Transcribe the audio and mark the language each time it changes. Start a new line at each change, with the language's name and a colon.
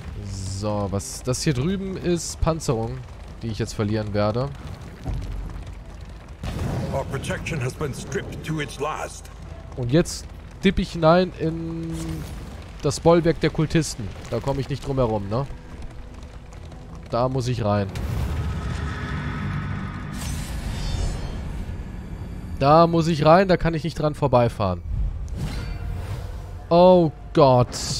German: So, was das hier drüben ist, Panzerung, die ich jetzt verlieren werde.
English: Our protection has been stripped to its last.
German: Und jetzt dippe ich hinein in das Bollwerk der Kultisten. Da komme ich nicht drum herum, ne? Da muss ich rein. Da muss ich rein, da kann ich nicht dran vorbeifahren. Oh Gott.